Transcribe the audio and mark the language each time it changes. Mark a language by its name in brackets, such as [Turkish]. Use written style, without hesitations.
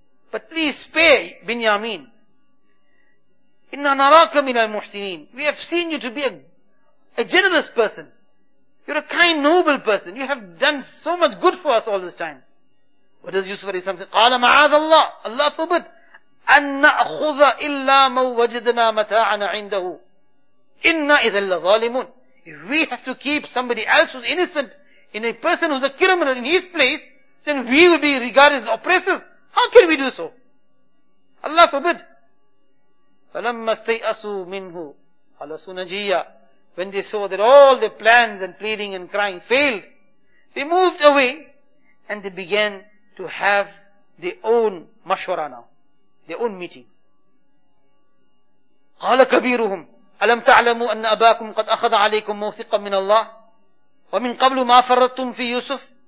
[English] But please spare Binyamin. [Arabic] Inna naraka min al-muhsinin. [English] We have seen you to be a generous person. You're a kind, noble person. You have done so much good for us all this time. What does Yusuf alayhi salam say? [Arabic] Qala ma'adha Allah. [English] Allah forbid. [Arabic] أن نأخذ إلا ما وجدنا متاعنا عنده إنا إذا لظالمون. [English] If we have to keep somebody else who's innocent in a person who's a criminal in his place, then we will be regarded as oppressors. How can we do so? Allah forbid. [Arabic] فلما استيأسوا منه خلصوا نجيا. [English] When they saw that all their plans and pleading and crying failed, they moved away and they began to have their own mashwara now. Their own meeting. [Arabic] قَالَ كَبِيرُهُمْ أَلَمْ تَعْلَمُوا أَنَّ أَبَاكُمْ قَدْ أَخَذَ عَلَيْكُمْ مَوْثِقًا مِّنَ اللَّهِ وَمِنْ قَبْلُ مَا فَرَّطْتُمْ فِي يُوسُفَ.